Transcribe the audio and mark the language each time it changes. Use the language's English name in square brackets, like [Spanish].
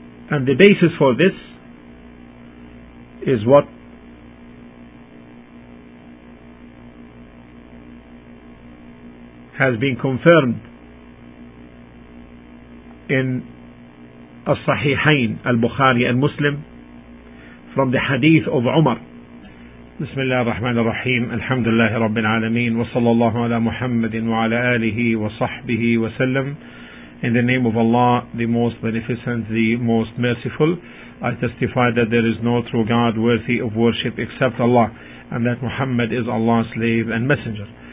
[English] And the basis for this is what has been confirmed in As-Sahihain, Al-Bukhari and Muslim, from the hadith of Umar. [Arabic] بسم الله الرحمن الرحيم الحمد لله رب العالمين وصلى الله على محمد وعلى آله وصحبه وسلم. [English] In the name of Allah, the most beneficent, the most merciful, I testify that there is no true God worthy of worship except Allah, and that Muhammad is Allah's slave and messenger.